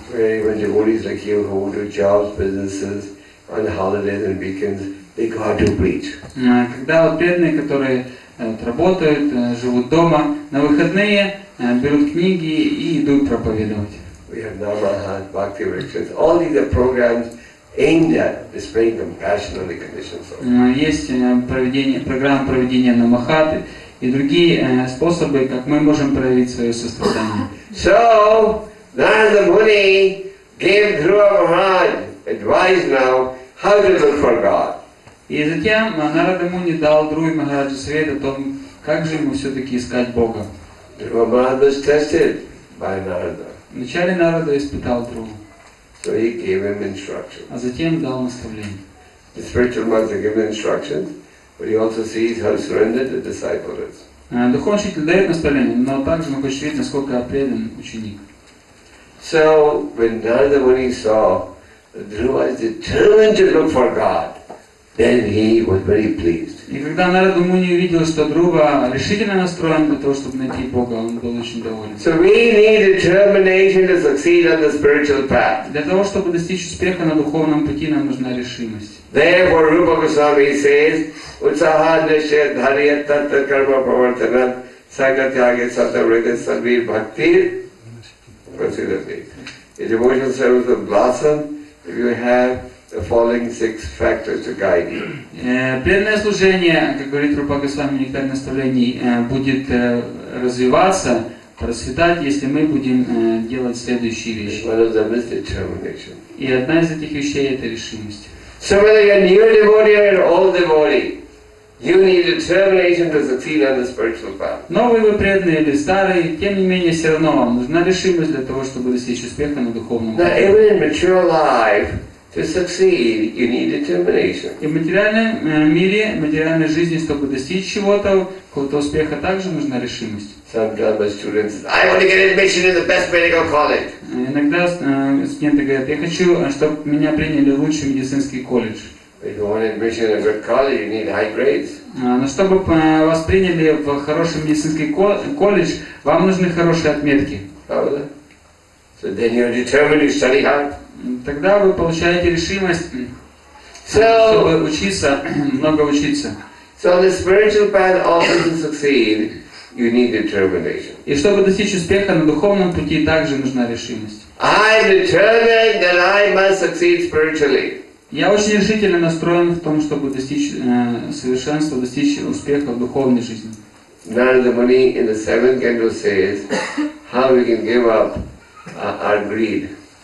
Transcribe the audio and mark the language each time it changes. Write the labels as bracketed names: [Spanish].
[English] Where devotees like you who do jobs, businesses, on holidays and weekends, they go out to preach. [Russian] Когда вот преданные, которые работают, живут дома, на выходные берут книги и идут проповедовать. [English] We have Namahat, Bhakti Rikshas, all these are programs aimed at displaying compassion on the conditioned soul. [Russian] Есть программа проведения Намахаты и другие способы, как мы можем проявить свое сострадание. [English] So, Narada Muni gave Dhruva Maharaj advice now how to look for God. [Russian] И затем Нарада Муни дал Друи Махараджу совет о том, как же ему все-таки искать Бога. [English] Dhruva Maharaj was tested by Narada. [Russian] Вначале Нарада испытал Друва. [English] So he gave him instructions. [Russian] А затем дал наставление. [English] The spiritual master gives instructions, but he also sees how surrendered the disciple is. [Russian] Духовный учитель дает наставление, но также мы хотим видеть, насколько предан ученик. [English] So when Narada Muni saw that Dhruva is determined to look for God, then he was very pleased. [Russian] И когда Нарада Муни увидел, что Друва решительно настроен для того, чтобы найти Бога, он был очень доволен. [English] So we need determination to succeed on the spiritual path. [Russian] Для того, чтобы достичь успеха на духовном пути, нам нужна решимость. [Sanskrit] Therefore, Rupa Goswami says, Utsaha Nishya Dharya Tattva Karma Pravartana Sangha Tyagya Sattva Vritya Sarvir Bhakti. [English] Consider me. A devotional service will blossom if you have the following six factors to guide you. [Russian] Преданное служение, как говорит Рупа Госвами, нектар наставлений, будет развиваться, процветать, если мы будем делать следующие вещи. [English] One of them is determination. [Russian] И одна из этих вещей – это решимость. [English] So whether you're a new devotee or an old devotee, you need determination to succeed on the spiritual path. [Russian] Новые вы преданные или старые, тем не менее, все равно вам нужна решимость для того, чтобы достичь успеха на духовном пути. [English] Now, even in mature life, to succeed, you need determination. [Russian] И в материальном мире, в материальной жизни, чтобы достичь чего-то, какого-то успеха, также нужна решимость. [English] Some Dharma students say, I want to get admission in the best medical college. [Russian] Иногда студенты говорят, я хочу, чтобы меня приняли в лучший медицинский колледж. [English] If you want admission in a good college, you need high grades. [Russian] Но чтобы вас приняли в хороший медицинский колледж, вам нужны хорошие отметки. [English] So then you're determined to study hard. [Russian] Тогда вы получаете решимость, чтобы учиться, много учиться. [English] So the spiritual path also to succeed, you need determination. [Russian] И чтобы достичь успеха на духовном пути, также нужна решимость. [English] I'm determined that I must succeed spiritually. [Russian] Я очень решительно настроен в том, чтобы достичь совершенства, достичь успеха в духовной жизни. [English] Narada Muni in the seventh canto says, how we can give up our greed.